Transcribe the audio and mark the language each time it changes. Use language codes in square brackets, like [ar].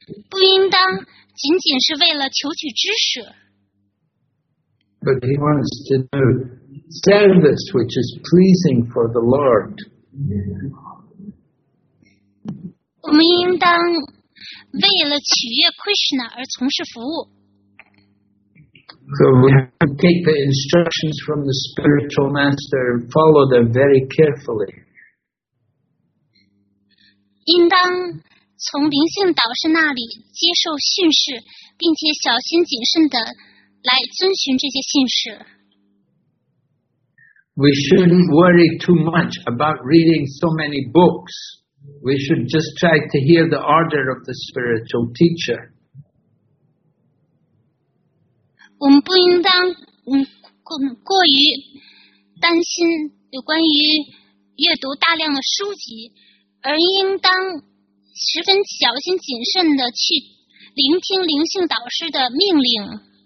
[zh] 不应当仅仅是为了求取知识。 [en] But he wants to know service which is pleasing for the Lord. [zh] 我们应当为了取悦 Krishna 而从事服务。 [en] So we have to take the instructions from the spiritual master and follow them very carefully. [zh] 应当从灵性导师那里接受训示，并且小心谨慎地来遵循这些训示。 [en] We shouldn't worry too much about reading so many books. We should just try to hear the order of the spiritual teacher. [zh] 我们不应当过于担心有关于阅读大量的书籍，而应当十分小心谨慎地去聆听灵性导师的命令。